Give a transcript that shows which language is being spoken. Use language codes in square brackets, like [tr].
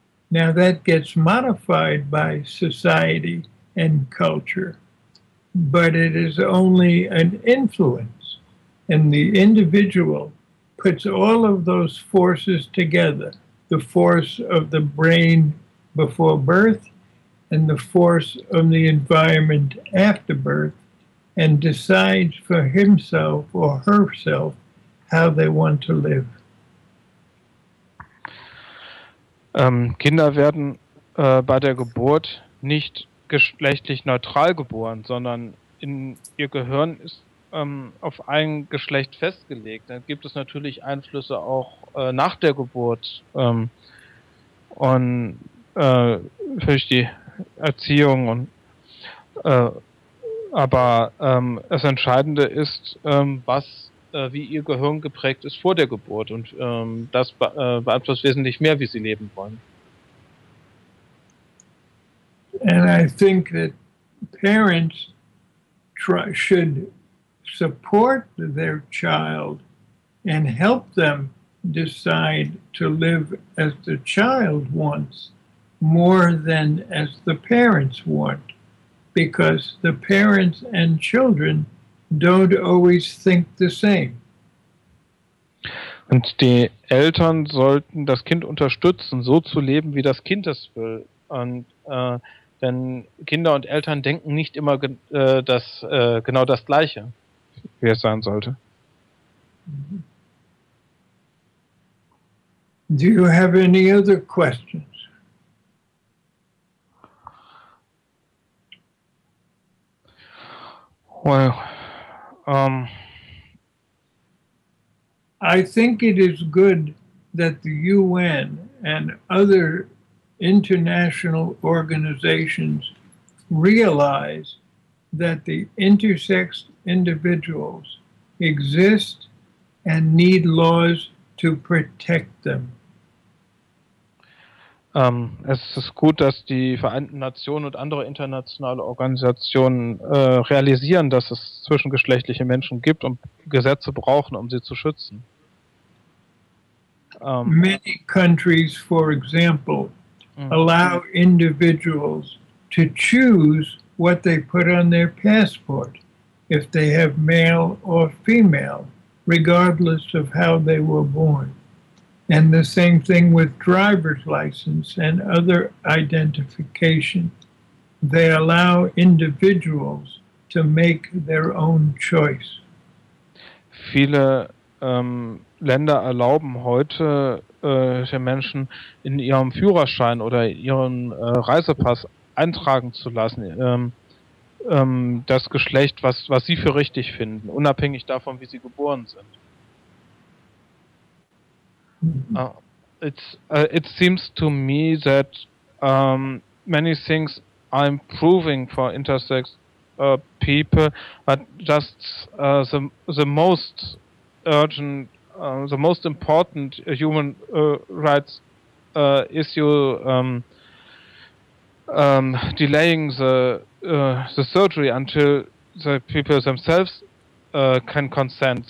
[en] Now that gets modified by society and culture, but it is only an influence, and the individual puts all of those forces together, the force of the brain before birth and the force of the environment after birth, and decides for himself or herself how they want to live. [de] Kinder werden bei der Geburt nicht geschlechtlich neutral geboren, sondern in ihr Gehirn ist auf ein Geschlecht festgelegt. Dann gibt es natürlich Einflüsse auch nach der Geburt und für die Erziehung. Aber das Entscheidende ist, wie ihr Gehirn geprägt ist vor der Geburt, und das beeinflusst wesentlich mehr, wie sie leben wollen. [en] And I think that parents should support their child and help them decide to live as the child wants more than as the parents want, because the parents and children don't always think the same. [de] Und die Eltern sollten das Kind unterstützen, so zu leben, wie das Kind es will. Und denn Kinder und Eltern denken nicht immer genau das Gleiche, wie es sein sollte. [en] Do you have any other questions? Well, I think it is good that the UN and other international organizations realize that the intersex individuals exist and need laws to protect them. [de] Es ist gut, dass die Vereinten Nationen und andere internationale Organisationen realisieren, dass es zwischengeschlechtliche Menschen gibt und Gesetze brauchen, um sie zu schützen. [en] Many countries, for example, allow individuals to choose what they put on their passport, if they have male or female, regardless of how they were born. And the same thing with driver's license and other identification. They allow individuals to make their own choice. [de] Viele Länder erlauben heute den Menschen, in ihrem Führerschein oder ihren Reisepass eintragen zu lassen, das Geschlecht, was sie für richtig finden, unabhängig davon, wie sie geboren sind. [en] It seems to me that many things are improving for intersex people, but just the most urgent, the most important human rights issue delaying the surgery until the people themselves can consent.